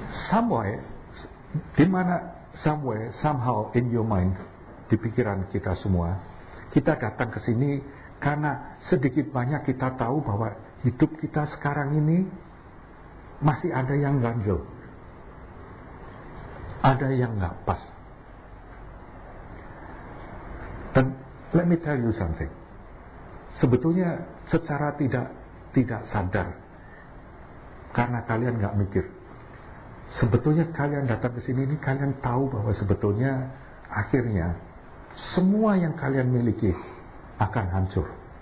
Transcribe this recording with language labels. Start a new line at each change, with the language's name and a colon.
Indonesian: Somewhere, di mana somewhere,
English: somehow in your mind,
Indonesian: di pikiran kita semua, kita datang ke sini karena sedikit banyak kita tahu bahwa hidup kita sekarang ini masih ada yang ganjil, ada yang nggak pas.
English: Dan let me tell you something.
Indonesian: Sebetulnya secara tidak sadar, karena kalian enggak mikir, sebetulnya kalian datang ke sini ini kalian tahu bahwa sebetulnya akhirnya semua yang kalian miliki akan hancur.